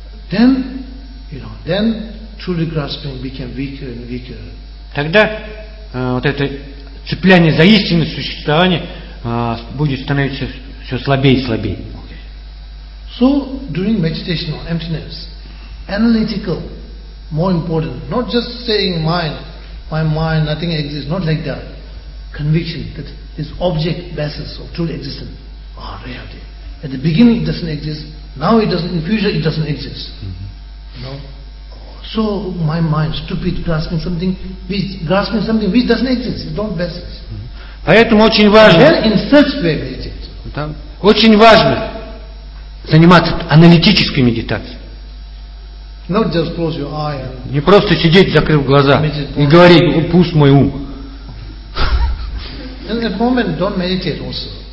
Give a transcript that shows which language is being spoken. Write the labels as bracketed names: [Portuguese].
[English] then, you know, then truly grasping became weaker and weaker. [Russian] Тогда вот это цепляние за истинное существование будет становиться все слабее и слабее. [English] Okay. So during meditation on emptiness, analytical, more important, not just saying mind, my mind, nothing exists, not like that. Conviction that this object basis of truly existence are reality. At the beginning it doesn't exist, now it doesn't, in future it doesn't exist. Mm-hmm. You know? So my mind stupid grasping something which doesn't exist, it don't exist. [Russian] Поэтому очень важно. [English] Then in such way meditate. [Russian] Да. Очень важно заниматься аналитической медитацией. [English] Not just close your eye. And [Russian] не просто сидеть, закрыв глаза, и говорить, о, пуст мой ум. [English] In that moment, don't meditate also.